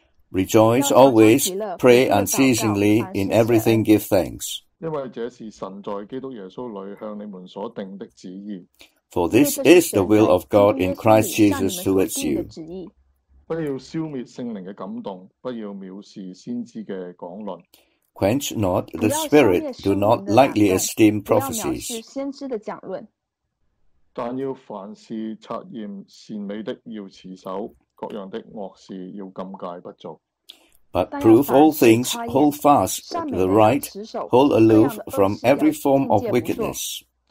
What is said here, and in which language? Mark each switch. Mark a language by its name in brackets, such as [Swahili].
[English] Rejoice always, pray unceasingly, in everything give thanks. For this is the will of God in Christ Jesus towards you. [Chinese] 不要消滅聖靈的感動,不要藐視先知的講論。 [English] Quench not the Spirit, do not lightly esteem prophecies. [Chinese] 但要凡事察驗善美的要持守,各樣的惡事要禁戒不做。 [English] But prove all things, hold fast the right, hold aloof from every form of wickedness.